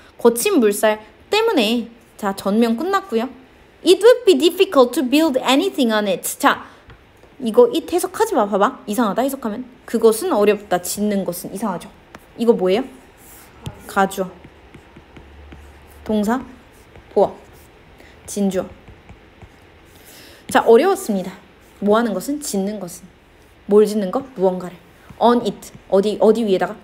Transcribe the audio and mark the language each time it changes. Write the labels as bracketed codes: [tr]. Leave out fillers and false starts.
[ko] 거친 물살 때문에 자 전명 끝났고요. [en] It would be difficult to build anything on it. [ko] 자, 이거 it 해석하지 마. 봐봐. 이상하다 해석하면. 그것은 어렵다. 짓는 것은. 이상하죠. 이거 뭐예요? 가주어. 동사. 보어. 진주어. 자, 어려웠습니다. 뭐 하는 것은? 짓는 것은. 뭘 짓는 거? 무언가를. on it. 어디 위에다가?